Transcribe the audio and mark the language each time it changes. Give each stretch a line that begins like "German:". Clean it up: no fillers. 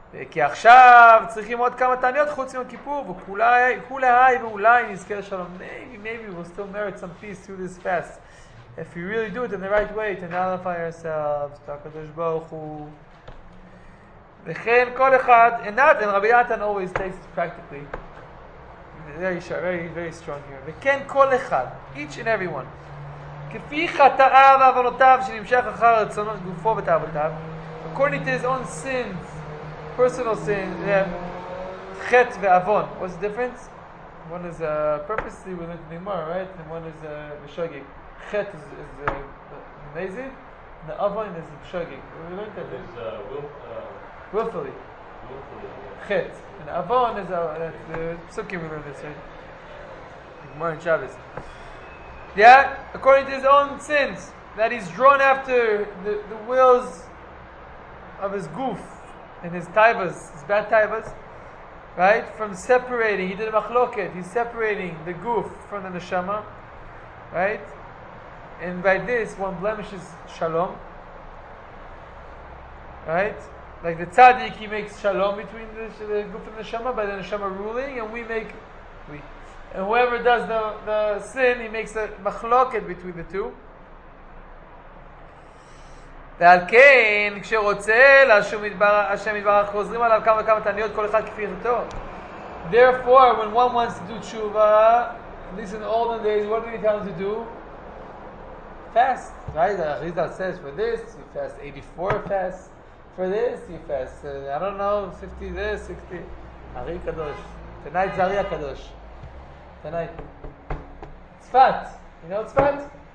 Hebrew: כי עכשיו צריכים עוד כמה תעניות חוץ מיום כיפור, וכולי, ואולי נזכר שלום.
English: Maybe we'll still merit some peace through this fast. If we really do it in the right way, to nullify ourselves, to HaKadosh Baruch Hu.
Hebrew: וכן כל אחד,
English: and Rabbi Yatan always takes it practically. Very, very, very strong here.
Hebrew: וכן כל אחד,
English: each and everyone.
Hebrew: כפי חטאיו ועוונותיו שנמשך אחר רצונו גופו ותאוותיו,
English: according to his own sins, personal sins,
Hebrew: חט ועוון.
English: What's the difference? One is purposely with the Gemara, right? And one is משוגג. חט is amazing, and the עוון is משוגג. We learned that. It's willfully. חט. And עוון is פסוקים, we learned this, right? Gemara and Shabbos. Yeah, according to his own sins, that he's drawn after the wills of his goof and his taivas, his bad taivas, right? From separating, he did a machloket, he's separating the goof from the neshama, right? And by this, one blemishes shalom, right? Like the tzaddik, he makes shalom between the goof and the neshama, by the neshama ruling, and we make exactly. And whoever does the sin, he makes a machloket between the two.
Hebrew: ועל כן, כשרוצה להשום השם יתברך, חוזרים עליו כמה וכמה תעניות, כל אחד כפי יחתו.
English: Therefore, when one wants to do tshuva, at least in the olden days, what do you tell him to do? Fast, right? The Arizal says, for this, you fast 84 fasts. For this, you fast, I don't know, 50 this, 60. Ari Kadosh. Tonight, Zari Kadosh. Tonight. Tzfat. You know Tzfat?